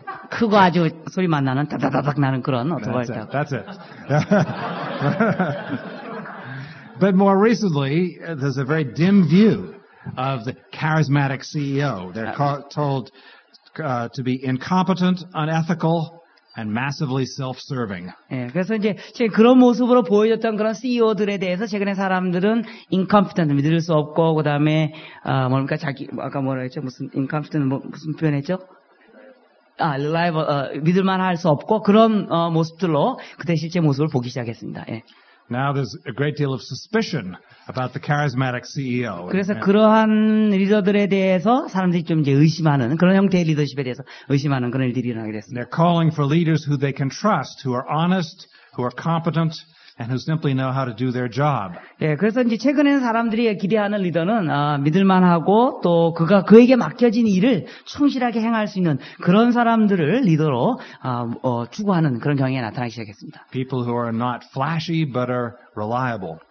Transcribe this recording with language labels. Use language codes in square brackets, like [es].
[ko] 크고 아주 소리만 나는 다다다닥 나는 그런 오토바이. [en] That's it. But more recently, there's a very dim view of the charismatic CEO. They're told to be incompetent, unethical. And massively self-serving. [ko] 예, 그래서 이제 지금 그런 모습으로 보여줬던 그런 CEO들에 대해서 최근에 사람들은 incompetent 믿을 수 없고 그다음에 뭡니까 자기 아까 뭐라 했죠 무슨 incompetent 무슨 표현했죠? 아, reliable 믿을만할 수 없고 그런 모습들로 그때 실제 모습을 보기 시작했습니다. 예. [en] Now there's a great deal of suspicion about the charismatic CEO. [ko] 그래서 그러한 리더들에 대해서 사람들이 좀 이제 의심하는 그런 형태의 리더십에 대해서 의심하는 그런 일들이 일어나게 됐습니다. [en] They're calling for leaders who they can trust, who are honest, who are competent, and who simply know how to do their job. [ko] 예, 그래서 이제 최근에는 사람들이 기대하는 리더는 믿을만하고 또 그에게 맡겨진 일을 충실하게 행할 수 있는 그런 사람들을 리더로 추구하는 그런 경향이 나타나기 시작했습니다. [en] People who are not flashy but are reliable.